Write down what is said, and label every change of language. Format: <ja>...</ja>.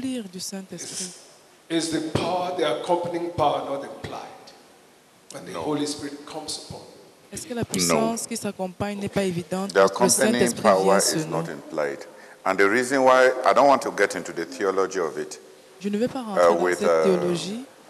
<en>Is the power, the accompanying power, not implied when the Holy Spirit comes upon?</en> <fr>Est-ce que la puissance qui s'accompagne n'est pas évidente?</fr> <en>The accompanying power is not implied, and the reason why I don't want to get into the theology of it.</en> <fr>Je ne vais pas rentrer dans cette théologie.</fr>